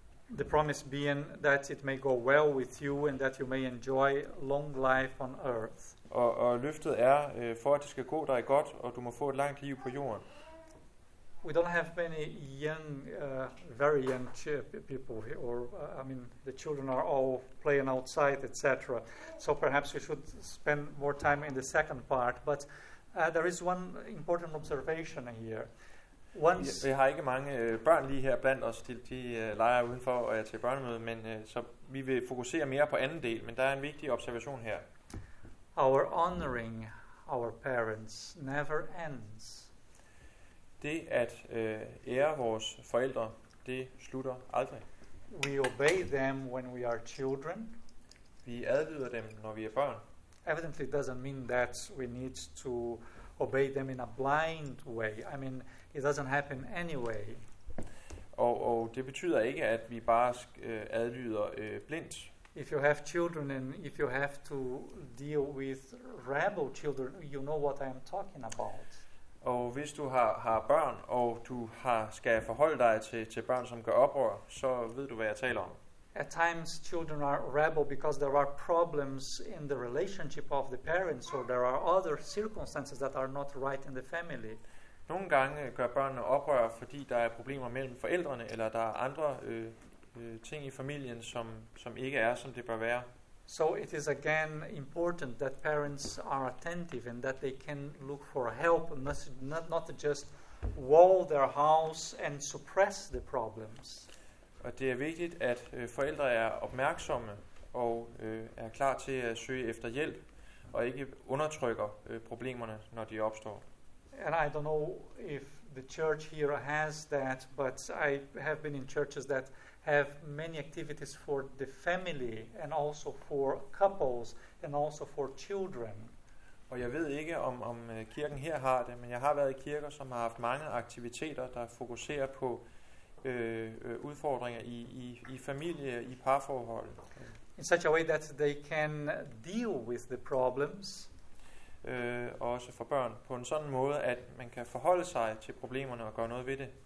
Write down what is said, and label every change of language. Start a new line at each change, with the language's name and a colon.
English: The promise being that it may go well with you and that you may enjoy long life on earth.
Danish: Og løftet er, for at det skal gå dig godt, og du må få et langt liv på jorden.
English: We don't have many young, very young people, the children are all playing outside, etc. So perhaps we should spend more time in the second part, but there is one important observation here.
Danish: Vi har ikke mange børn lige her blandt os, de leger udenfor og er til børnemøde, men så vi vil fokusere mere på anden del, men der er en vigtig observation her.
English: Our honoring our parents never ends.
Danish: Det at ære vores forældre, det slutter aldrig.
English: We obey them when we are children.
Danish: Vi adlyder dem, når vi er børn.
English: Evidently doesn't mean that we need to obey them in a blind way. I mean, it doesn't happen anyway.
Danish: Og det betyder ikke, at vi bare adlyder blindt.
English: If you have children and if you have to deal with rebel children, you know what I am talking about.
Danish: Og hvis du har børn, og du skal forholde dig til børn, som gør oprør, så ved du, hvad jeg taler om.
English: At times children are rebel because there are problems in the relationship of the parents, or there are other circumstances that are not right in the family.
Danish: Nogle gange gør børnene oprør, fordi der er problemer mellem forældrene, eller der er andre ting i familien, som ikke er, som det bør være.
English: So it is again important that parents are attentive and that they can look for help, not just wall their house and suppress the problems.
Danish: Og det er vigtigt, at forældre er opmærksomme og er klar til at søge efter hjælp og ikke undertrykker problemerne, når de opstår.
English: And I don't know if the church here has that, but I have been in churches that have many activities for the family and also for couples and also for children.
Danish: Og jeg ved ikke, om kirken her har det, men jeg har været i kirker, som har haft mange aktiviteter, der fokuserer på udfordringer i familie, i parforhold.
English: In such a way that they can deal with the problems.
Danish: Også for børn, på en sådan måde, at man kan forholde sig til problemerne og gøre noget ved det.